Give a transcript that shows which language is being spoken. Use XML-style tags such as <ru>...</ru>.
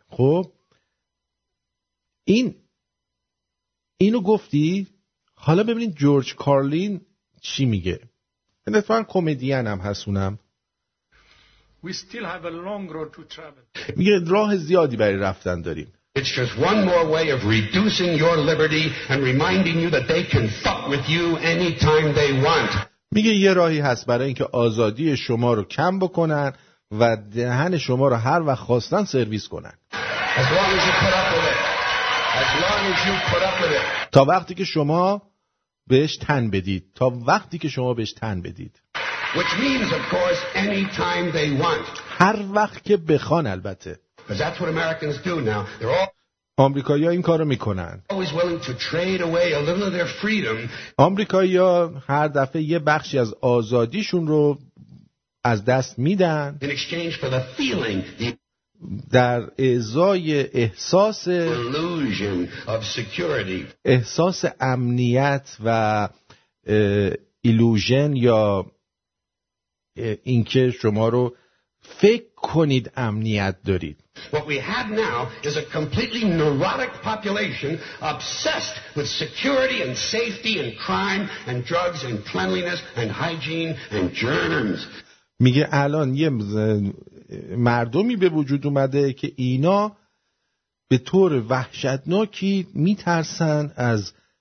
<fa>خب اینو گفتی؟ حالا ببینید جورج کارلین چی میگه. من اتفاقا کمدین هم هستونم.</fa> <en>We still have a long road to travel.</en> <fa>میگه راه زیادی برای رفتن داریم.</fa> <en>It's just one more way of reducing your liberty and reminding you that they can fuck with you anytime they want.</en> <fa>میگه یه راهی هست برای اینکه آزادی شما رو کم بکنن و دهن شما رو هر وقت خواستن سرویس کنن.</fa> <en>As long as you put up with it. As long as you put up with it.</en> <fa>تا وقتی که شما بهش تن بدید، تا وقتی که شما بهش تن بدید.</fa> <en>Which means of course anytime they want.</en> <fa>هر وقت که بخوان البته.</fa> <en>Because that's what Americans do now. They're all.</en> <fa>آمریکایی‌ها این کارو میکنن.</fa> <en>Always willing to trade away a little of their freedom.</en> <fa>آمریکایی‌ها هر دفعه یه بخشی از آزادیشون رو از دست میدن.</fa> <en>In exchange for the feeling.</en> <fa>در ازای احساس امنیت و ایلوژن، یا اینکه شما رو فکر کنید امنیت دارید.</fa> <en>What we have now is a completely neurotic population obsessed with security and safety and crime and drugs and cleanliness and hygiene and germs.</en> <fa>میگه الان یه مردمی به وجود اومده که اینا به طور وحشتناکی میترسن از</fa>